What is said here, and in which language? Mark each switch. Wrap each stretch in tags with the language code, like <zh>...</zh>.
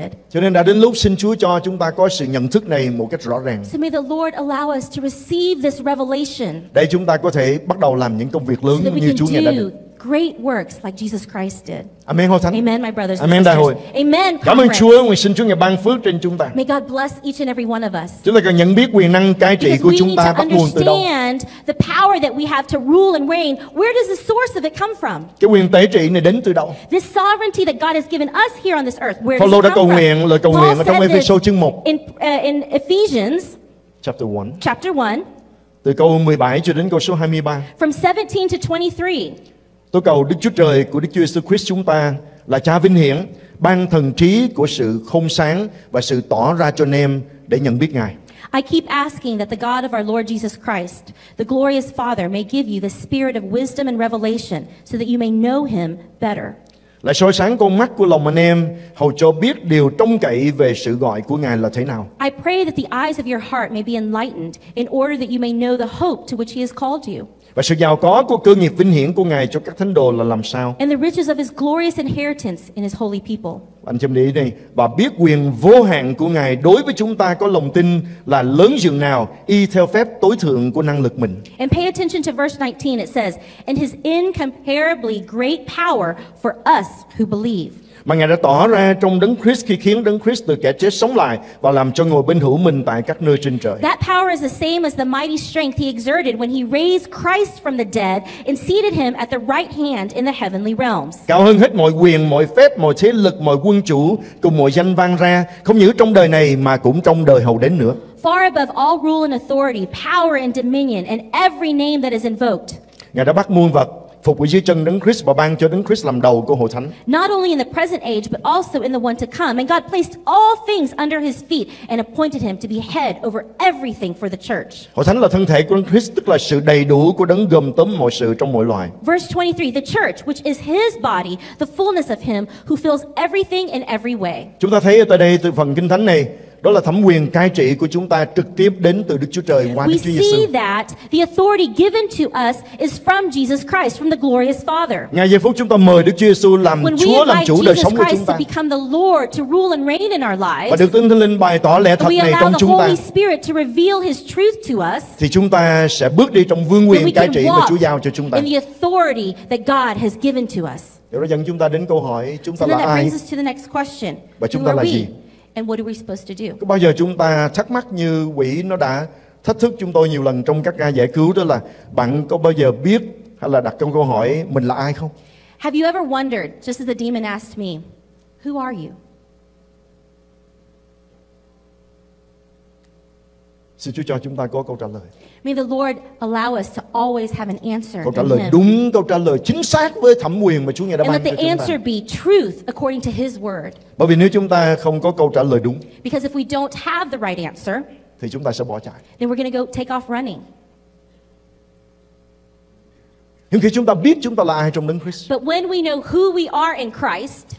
<vi>Cho nên đã đến lúc xin Chúa cho chúng ta có sự nhận thức này một cách rõ ràng.</vi> <en>So may the Lord allow us to receive this revelation.</en> <vi>Để chúng ta có thể bắt đầu làm những công việc lớn</vi> <en>so</en> <vi>như Chúa ngài đã làm.</vi> <en>Great works like Jesus Christ did.</en> <vi>Amen, hội thánh.</vi> <en>Amen, my brothers.</en> <vi>Amen, đại hội.</vi> <en>Amen.</en> <vi>Cảm ơn Chúa, nguyện xin Chúa ngài ban phước trên chúng ta.</vi> <en>May God bless each and every one of us.</en> <vi>Chúng ta cần nhận biết quyền năng cai trị của chúng ta bắt nguồn từ đâu.</vi> <en>Because we need to understand the power that we have to rule and reign. Where does the source of it come from?</en> <vi>Cái quyền tể trị này đến từ đâu?</vi> <en>This sovereignty that God has given us here on this earth. Where Paul does it come from?</en> <vi>Nguyện, lời cầu nguyện ở trong Ephesians chương 1.</vi> <en>In Ephesians chapter 1. Chapter 1.</en> <vi>Từ câu 17 cho đến câu số 23.</vi> <en>From 17 to 23.</en> <vi>Tôi cầu Đức Chúa Trời của Đức Chúa Jesus Christ chúng ta là Cha vinh hiển ban thần trí của sự khôn sáng và sự tỏ ra cho anh em để nhận biết Ngài.</vi> <en>I keep asking that the God of our Lord Jesus Christ, the glorious Father, may give you the spirit of wisdom and revelation so that you may know him better.</en> <vi>Lại soi sáng con mắt của lòng anh em hầu cho biết điều trông cậy về sự gọi của Ngài là thế nào.</vi> <en>I pray that the eyes of your heart may be enlightened in order that you may know the hope to which he has called you.</en> <vi>Và sự giàu có của cơ nghiệp vinh hiển của Ngài cho các thánh đồ là làm sao?</vi> <en>And the riches of his glorious inheritance in his holy people.</en> <vi>Anh chị em để ý đây, và biết quyền vô hạn của Ngài đối với chúng ta có lòng tin là lớn dường nào y theo phép tối thượng của năng lực mình.</vi> <en>And pay attention to verse 19, it says, and his incomparably great power for us who believe.</en> <vi>Mà Ngài đã tỏ ra trong Đấng Christ khi khiến Đấng Christ từ kẻ chết sống lại và làm cho ngồi bên hữu mình tại các nơi trên trời.</vi> <en>That power is the same as the mighty strength he exerted when he raised Christ from the dead and seated him at the right hand in the heavenly realms.</en> <vi>Cao hơn hết mọi quyền, mọi phép, mọi thế lực, mọi quân chủ cùng mọi danh vang ra, không những trong đời này mà cũng trong đời hậu đến nữa.</vi> <en>Far above all rule and authority, power and dominion and every name that is invoked.</en> <vi>Ngài đã bắt muôn vật phục vụ dưới chân Đấng Christ và ban cho Đấng Christ làm đầu của hội thánh.</vi> <en>Not only in the present age but also in the one to come, and God placed all things under his feet and appointed him to be head over everything for the church.</en> <vi>Hội thánh là thân thể của Đấng Christ, tức là sự đầy đủ của Đấng gồm tóm mọi sự trong mọi loài.</vi> <en>Verse 23, the church which is his body, the fullness of him who fills everything in every way.</en> <vi>Chúng ta thấy ở đây từ phần kinh thánh này, đó là thẩm quyền cai trị của chúng ta trực tiếp đến từ Đức Chúa Trời qua Đức Chúa Giêsu.</vi> <en>We see that the authority given to us is from Jesus Christ, from the glorious Father.</en> <vi>Ngày giây phút chúng ta mời Đức Chúa Giêsu làm Chúa, làm chủ đời sống của chúng ta.</vi> <en>When we become the Lord to rule and reign in our lives.</en> <vi>Và được Thánh Linh bày tỏ lẽ thật này trong chúng ta.</vi> <en>We allow the Holy Spirit to reveal His truth to us.</en> <vi>Thì chúng ta sẽ bước đi trong vương quyền cai trị mà Chúa giao cho chúng ta.</vi> <en>In the authority that God has given to us.</en> <vi>Điều đó dẫn chúng ta đến câu hỏi chúng ta là ai?</vi> <en>That brings us to the next question.</en> <vi>Và chúng ta là gì?</vi> <en>And what are we supposed to do?</en> <vi>Có bao giờ chúng ta thắc mắc như quỷ nó đã thách thức chúng tôi nhiều lần trong các ca giải cứu, đó là bạn có bao giờ biết hay là đặt trong câu hỏi mình là ai không?</vi> <en>Have you ever wondered, just as the demon asked me, who are you?</en> <vi>Xin Chúa cho chúng ta có câu trả lời.</vi> <en>May the Lord allow us to always have an answer.</en> <vi>Câu trả lời đúng, câu trả lời chính xác với thẩm quyền mà Chúa ngài đã ban cho chúng ta.</vi> <en>And let the answer be truth according to His word.</en> <vi>Bởi vì nếu chúng ta không có câu trả lời đúng,</vi> <en>because if we don't have the right answer,</en> <vi>thì chúng ta sẽ bỏ chạy.</vi> <en>Then we're going to go take off running.</en> <vi>Nhưng khi chúng ta biết chúng ta là ai trong Đấng Christ,</vi> <en>but when we know who we are in Christ,</en>